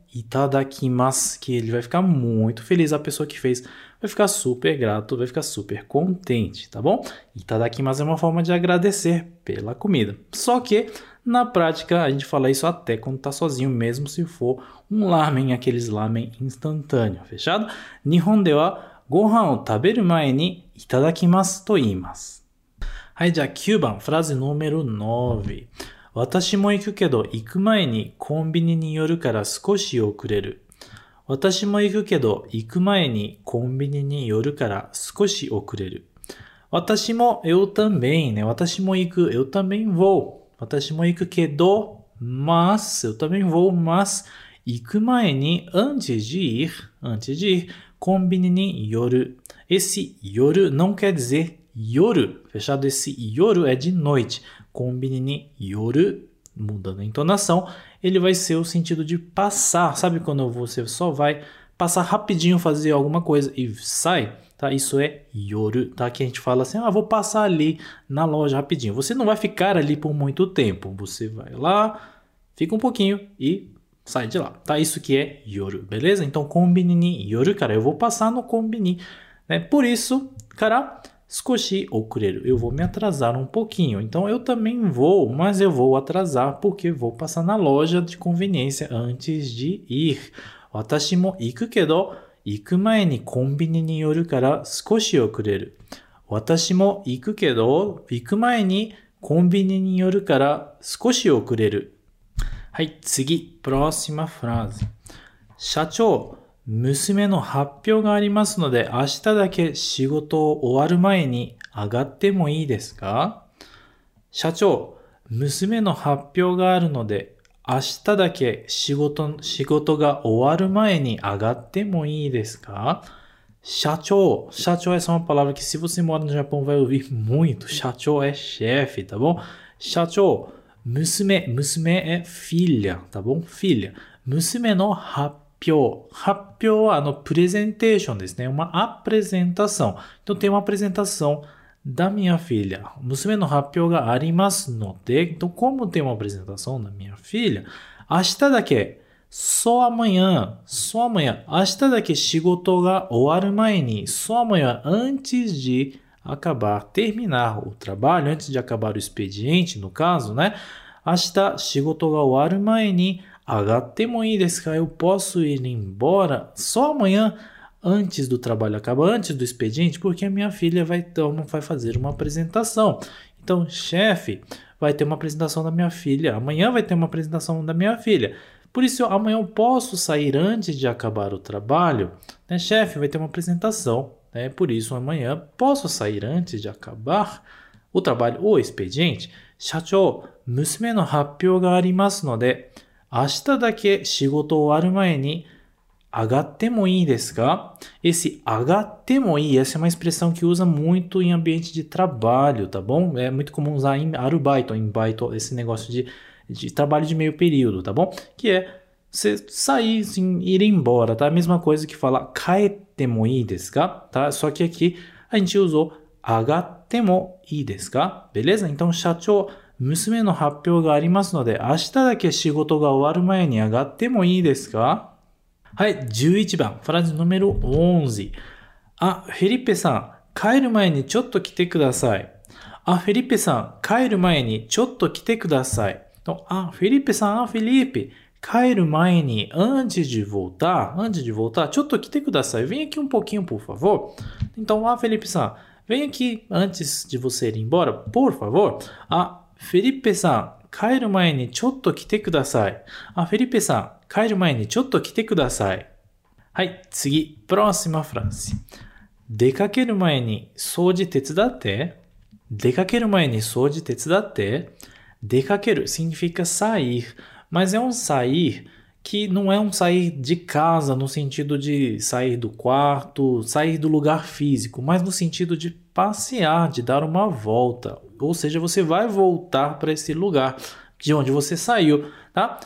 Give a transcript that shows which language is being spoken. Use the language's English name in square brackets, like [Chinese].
[Portuguese] itadakimasu, que ele vai ficar muito feliz, a pessoa que fez vai ficar super grato, vai ficar super contente, tá bom? Itadakimasu é uma forma de agradecer pela comida. Só que, na prática, a gente fala isso até quando tá sozinho, mesmo se for um lamen, aqueles lamen instantâneo, fechado? [Japanese] Nihon ではご飯を食べる前にいただきますと言います。はい、じゃあ9番、フラーズ [Portuguese] número 9。 [Japanese] 私も行くけど、行く前にコンビニに寄るから少し遅れる。私も行くけど、行く前にコンビニに寄るから少し遅れる。私も、 [Portuguese] eu também, [Japanese] ね。 私も行く、 [Portuguese] eu também vou。 [Japanese] 私も行くけど、 [Portuguese] mas, eu também vou, mas, [Japanese] 行く前に、 [Portuguese] antes de ir, [Japanese] コンビニに寄る。 [Portuguese] Esse 寄る não quer dizer 夜, fechado. Esse 夜 é de noite. Combine-ni yoru, mudando a entonação, ele vai ser o sentido de passar. Sabe quando você só vai passar rapidinho, fazer alguma coisa e sai? Tá? Isso é yoru, tá? Que a gente fala assim, ah, vou passar ali na loja rapidinho. Você não vai ficar ali por muito tempo. Você vai lá, fica um pouquinho e sai de lá. Tá? Isso que é yoru, beleza? Então, combine-ni yoru, cara, eu vou passar no combini, né? Por isso, cara, [Japanese] 少し遅れる。 [Portuguese] Eu vou me atrasar um pouquinho. Então, eu também vou, mas eu vou atrasar porque vou passar na loja de conveniência antes de ir. [Japanese] 私も行くけど、行く前にコンビニに寄るから少し遅れる。私も行くけど、行く前にコンビニに寄るから少し遅れる。はい、次。 [Portuguese] próxima frase。 [Japanese] 社長。娘の発表がありますので、明日だけ仕事を終わる前に上がってもいいですか？社長、娘の発表があるので、明日だけ仕事が終わる前に上がってもいいですか？ [Portuguese] 社長、essa é uma palavra que, se você mora no Japão, vai ouvir muito. 社長 é chefe, tá bom? 社長、娘 é filha, tá bom? [Japanese] Filha. 娘の発表。発表はプレゼンテーションですね。 [Portuguese] uma apresentação. Então, tem uma apresentação da minha filha. [Japanese] 娘の発表がありますので、 [Portuguese] então, como tem uma apresentação da minha filha, [Japanese] 明日だけ、 [Portuguese] só amanhã, [Japanese] 明日だけ仕事が終わる前に、 [Portuguese] só amanhã, antes de acabar, terminar o trabalho, antes de acabar o expediente, no caso, né? [Japanese] 明日仕事が終わる前に、上がってもいいですか？ [Portuguese] Eu posso ir embora só amanhã, antes do trabalho acabar, antes do expediente, porque a minha filha vai fazer uma apresentação. Então, chefe, vai ter uma apresentação da minha filha. Amanhã vai ter uma apresentação da minha filha. Por isso, amanhã eu posso sair antes de acabar o trabalho, né? Chefe, vai ter uma apresentação, né? Por isso, amanhã posso sair antes de acabar o trabalho ou expediente. [Japanese] 社長, 娘の発表がありますので、明日だけ仕事終わる前に上がってもいいですか？ [Portuguese] Esse [Japanese] 上がってもいい、 [Portuguese] essa é uma expressão que usa muito em ambiente de trabalho, tá bom? É muito comum usar em arubaito, em baito, esse negócio de trabalho de meio período, tá bom? Que é você sair, assim, ir embora, tá? A mesma coisa que falar [Japanese] 帰ってもいいですか？ [Portuguese] Tá? Só que aqui a gente usou [Japanese] 上がってもいいですか？ [Portuguese] Beleza? [Japanese] Então, 社長、娘の発表がありますので、明日だけ仕事が終わる前に上がってもいいですか？はい、11番、フラーズ [Portuguese] número 11。 [Japanese] あ、フェリペさん、帰る前にちょっと来てください。あ、フェリペさん、帰る前にちょっと来てください。と、あ、フェリペさん、あ、フェリペ、帰る前に、 [Portuguese] antes de voltar、 [Japanese] ちょっと来てください。 [Portuguese] Vem aqui um pouquinho, por favor. Então, あ、フェリペさん、vem aqui antes de você ir embora, por favor. [Japanese] あ、フェリッペさん、帰る前にちょっと来てください。あ、フェリッペさん、帰る前にちょっと来てください。はい、次。 [Portuguese] próxima frase。 [Japanese] 出かける前に掃除手伝って。出かける前に掃除手伝って。 [Portuguese] 出かける significa sair, mas é um sair que não é um sair de casa no sentido de sair do quarto, sair do lugar físico, mas no sentido de passear, de dar uma volta. Ou seja, você vai voltar para esse lugar de onde você saiu, tá?